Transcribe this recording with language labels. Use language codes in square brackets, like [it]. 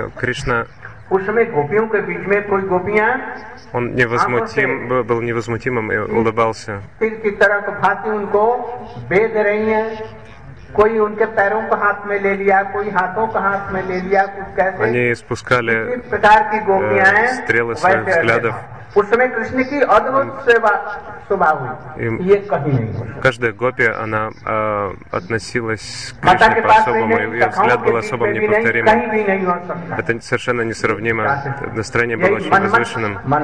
[ru] Кришна он невозмутим, был невозмутимым и улыбался. Они испускали стрелы своих взглядов. [hi] उस समय कृष्ण की अद्भुत सेवा स्वभाव हुई, ये कहीं नहीं हो सकता. [ru] Каждая гопи она относилась к Кришне по-особому, ее взгляд был особо неповторим. Это совершенно несравнимо. Настроение было очень возвышенным.